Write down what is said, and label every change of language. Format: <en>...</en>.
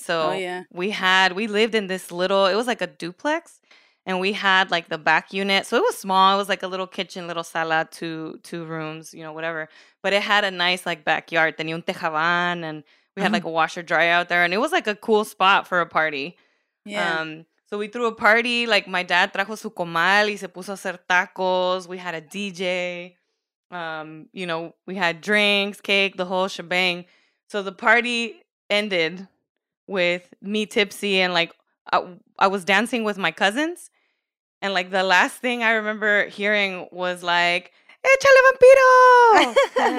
<en>So we lived in this little, it was like a duplex. And we had, like, the back unit. So it was small. It was, like, a little kitchen, little sala, two rooms, you know, whatever. But it had a nice, like, backyard.</en> <es>Tenía un tejaban.</es> <en>And we had, like, a washer dryer out there. And it was, like, a cool spot for a party. Yeah. So we threw a party. Like, my dad</en> <es>trajo su comal y se puso a hacer tacos.</es> <en>We had a DJ. You know, we had drinks, cake, the whole shebang. So the party ended with me tipsy and, like, I was dancing with my cousins, and like the last thing I remember hearing was like</en> <es>"Échale vampiro!"</es>